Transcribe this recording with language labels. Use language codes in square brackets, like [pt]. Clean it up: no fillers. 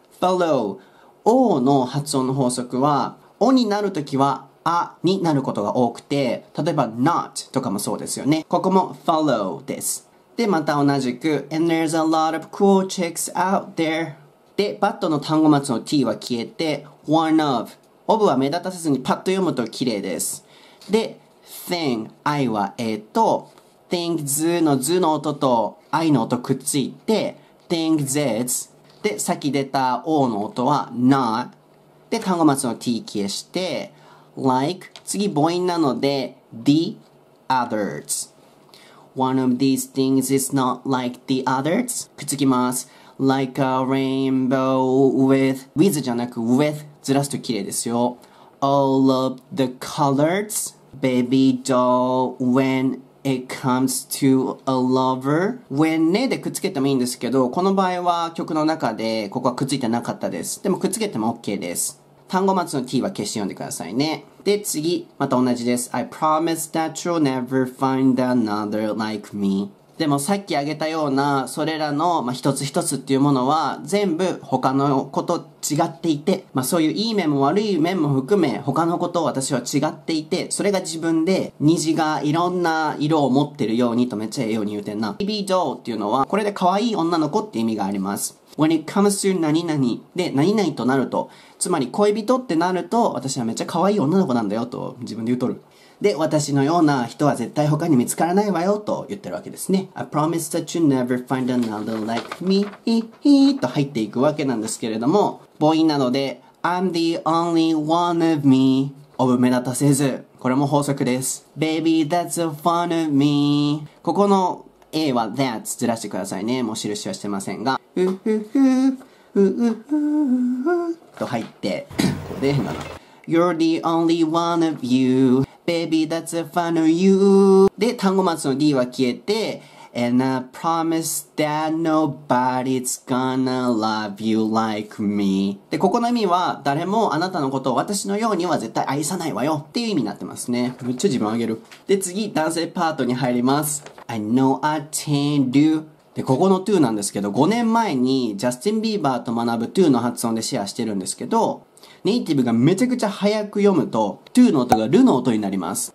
[ja] follow、 O の発音の法則は O になるときはあになることが多くて、例えば not とかもそうですよね。ここも follow です。で、また同じく [en] and there's a lot of cool chicks out there。 [ja] で、but の単語末の t は消えて [en] one of。 [ja] of は目立たせずにパッと読むと綺麗です。で、thing、I は A と things の図の音と I の音くっついて things is。で、さっき出た O の音は not。で、単語末の t 消して like、次母音なので [en] the others。 One of these things is not like the others。 [ja] くっつきます。 [en] Like a rainbow with [ja] じゃなく with ずらすと綺麗ですよ。 [en] All of the colors, baby doll, when it comes to a lover. [ja] When ねでくっつけてもいいんですけど、この場合は曲の中でここはくっついてなかったです。でもくっつけても OK です。単語末の T は消して読んでくださいね。で、次、また同じです。 [en] I promise that you'll never find another like me. [ja] でもさっき挙げたようなそれらの、まあ、一つ一つっていうものは全部他の子と違っていて、まあ、そういういい面も悪い面も含め他の子と私は違っていて、それが自分で虹がいろんな色を持ってるようにとめっちゃええように言うてんな。 Baby doll っていうのはこれで可愛い女の子って意味があります。 When it comes to 何々で何々となると、つまり恋人ってなると私はめっちゃ可愛い女の子なんだよと自分で言うとる。で、私のような人は絶対他に見つからないわよと言ってるわけですね。 [en] I promise that you never find another like me [ja] と入っていくわけなんですけれども、母音なので [en] I'm the only one of me [ja] of 目立たせず、これも法則です。 [en] Baby that's a fun of me、 [ja] ここの A は that ずらしてくださいね。もう印はしてませんがと入ってこれで変だな。 [en] You're the only one of youBaby, that's a fun of you. [ja] で、単語末の D は消えて [en] And I promise that nobody's gonna love you like me. [ja] で、ここの意味は誰もあなたのことを私のようには絶対愛さないわよっていう意味になってますね。めっちゃ自分あげる。で、次、男性パートに入ります。 [en] I know I changed you。 [ja] で、ここの to なんですけど、5年前にジャスティン・ビーバーと学ぶ to の発音でシェアしてるんですけど、ネイティブがめちゃくちゃ早く読むと to の音がるの音になります。